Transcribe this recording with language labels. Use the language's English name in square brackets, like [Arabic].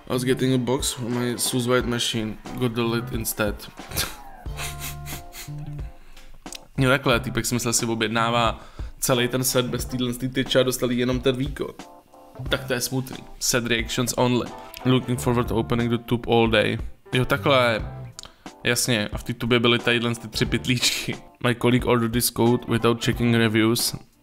[English] I was getting a box for my Swiss white machine. Got the lid instead. [Czech] No takhle, týpek si myslel, že si objednává celý ten set bez týdlenství tyče a dostal jenom ten výkon. Tak to je smutný. [English] Set reactions only. Looking forward to opening the tube all day. [Czech] Jo, takhle. Jasně, a v té tubě byly tadyhle ty tři pytlíčky. [English] My colleague ordered this coat without checking reviews.